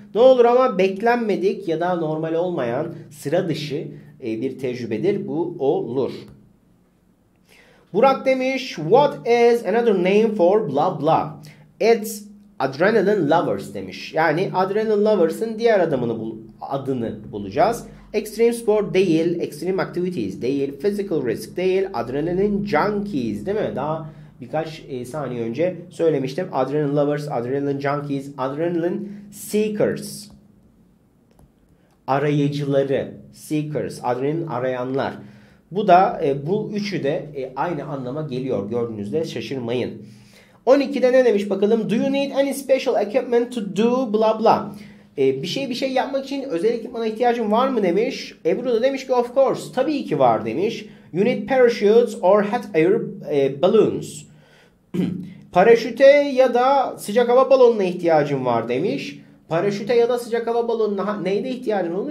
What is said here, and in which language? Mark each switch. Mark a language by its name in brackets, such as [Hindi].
[Turkish] Ne olur ama beklenmedik ya da normal olmayan, sıra dışı bir tecrübedir. Bu olur. [English] Burak [Turkish] demiş, [English] what is another name for blah blah? It's Adrenaline Lovers [Turkish] demiş. Yani Adrenaline Lovers'ın diğer adını bulacağız. Extreme Sport değil, Extreme Activities değil, Physical Risk değil, Adrenaline Junkies değil mi? Daha birkaç saniye önce söylemiştim. Adrenaline Lovers, Adrenaline Junkies, Adrenaline Seekers. Arayıcıları, Seekers, Adrenaline Arayanlar. Bu da bu üçü de aynı anlama geliyor. Gördüğünüzde şaşırmayın. 12'de ne demiş bakalım? [English] Do you need any special equipment to do blah blah? [Turkish] Bir şey yapmak için özel ekipmana ihtiyacın var mı demiş. Ebru da demiş ki [English] of course. [Turkish] Tabii ki var demiş. [English] You need parachutes or hot air balloons. [Turkish] Paraşüte ya da sıcak hava balonuna ihtiyacın var demiş. Paraşüte ya da sıcak hava balonuna neyde ihtiyacın olur?